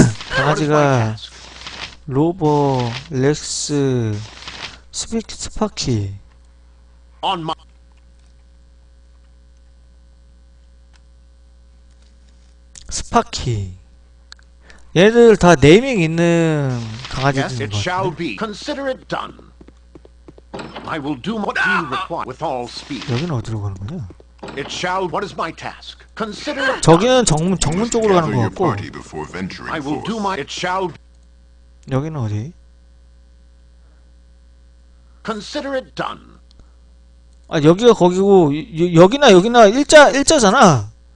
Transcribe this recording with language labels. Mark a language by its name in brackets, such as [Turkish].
[Korean] 강아지가 로버, 렉스, 스파키. 스파키. 얘들 다 네이밍 있는 강아지들인 것 같은데. [English] Consider it done. I will do what you require with all speed. [Korean] 여기는 어디로 가는 거냐? [English] It shall. What is my task? Consider. [Korean] 저기는 정문 쪽으로 가는 거 같고. [English] I will do my. It shall. [Korean] 여기는 어디? [English] Consider it done. [Korean] 아 여기가 거기고 여기나 일자잖아.